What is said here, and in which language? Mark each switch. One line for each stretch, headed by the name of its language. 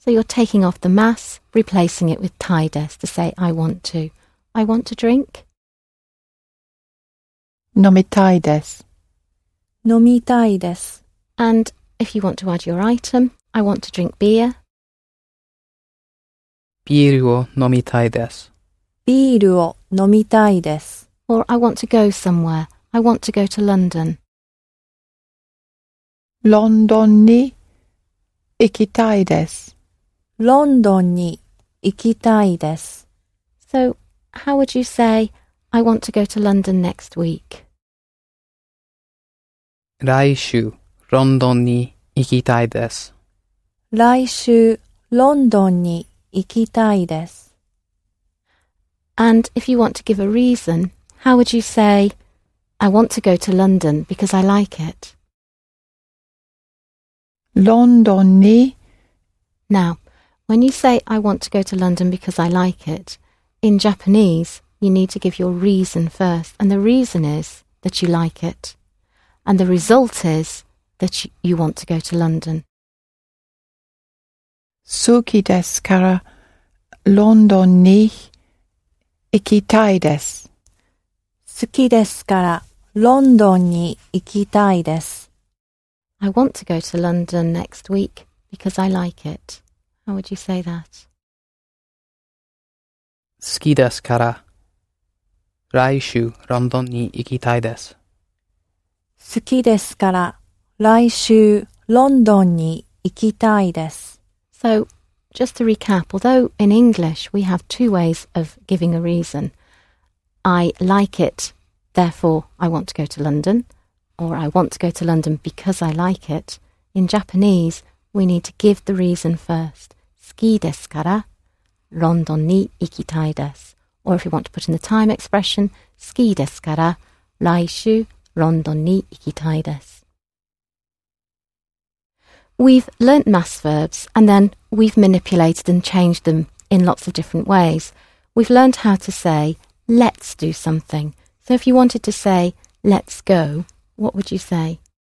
English: So you're taking off the mas, replacing it with taides to say I want to. I want to drink.
Japanese: 飲みたいです。飲みたいです。
English: And if you want to add your item, I want to drink beer.
Japanese: ビールを飲みたいです。ビールを飲みたいです。
English: Or I want to go somewhere. I want to go to London.
Japanese: ロンドンに行きたいです。ロンドンに行きたいです。
English: So, how would you say, I want to go to London next week?
Japanese: 来週、ロンドンに行きたいです。来週、ロンドンに行きたいです。
English: And if you want to give a reason, how would you say, I want to go to London because I like it?
Japanese: ロンドンに
English: Now, when you say I want to go to London because I like it, in Japanese, you need to give your reason first, and the reason is that you like it, and the result is that you want to go to London.
Japanese: 好きですから、ロンドンに行きたいです。好きですから、ロンドンに行きたいです。
English: I want to go to London next week because I like it. How would you say that?
Japanese: 好きですから、来週ロンドンに行きたいです。好きですから、来週ロンドンに行きたいです。
English: So, just to recap, although in English we have two ways of giving a reason. I like it, therefore I want to go to London. Or I want to go to London because I like it. In Japanese, we need to give the reason first.
Japanese: 好きですから、ロンドンに行きたいです。
English: Or if you want to put in the time expression,
Japanese: 好きですから、来週、ロンドンに行きたいです。
English: We've learnt mass verbs, and then we've manipulated and changed them in lots of different ways. We've learnt how to say, let's do something. So if you wanted to say, let's go,What would you say?